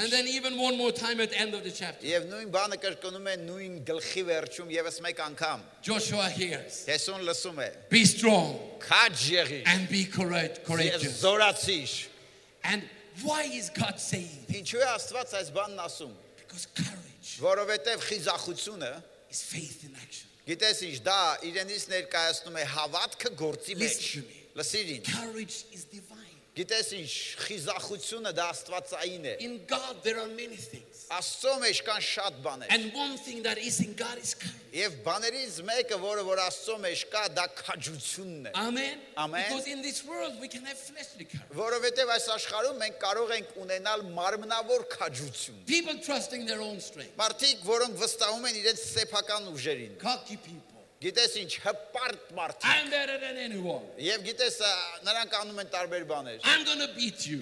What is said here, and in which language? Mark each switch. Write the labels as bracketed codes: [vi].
[en] And then even one more time at the end of the chapter. [hy] Եվ նույն բանը կրկնում է նույն գլխի վերջում եւս մեկ անգամ. [en] Joshua hears. [hy] Հեսուն լսում է. [en] Be strong. [hy] Քաջ եղիր. [en] And be courageous. [hy] Զորացիր. [en] And why is God saying? [hy] Ինչու է Աստված այս բանն ասում? [en] Because courage. [hy] Որովհետեւ խիզախությունը [en] is faith in action. [hy] Գիտես ինչ, դա իրենից ներկայացնում է հավատքը գործի մեջ։ Լսիրին։ [en] Courage is divine. [hy] Գիտես ինչ, խիզախությունը դա աստվածային է։ [en] In God there are many things. [hy] Աստծո մեջ կան շատ բաներ։ [en] And one thing that is in God is courage. [hy] Եվ բաներից մեկը, որը որ Աստծո մեջ կա, դա քաջությունն է։ [en] Amen. Amen. Because in this world we can have fleshly courage. [hy] Որովհետև այս աշխարհում մենք կարող ենք ունենալ մարմնավոր քաջություն։ [en] People trusting their own strength. [hy] Մարդիկ, որոնք վստահում են իրենց սեփական ուժերին։ [en] Cocky people. [hy] Գիտես ինչ, հպարտ մարդիկ։ [en] I'm better than anyone. [hy] Եվ գիտես, նրանք անում են տարբեր բաներ։ [en] I'm going to beat you.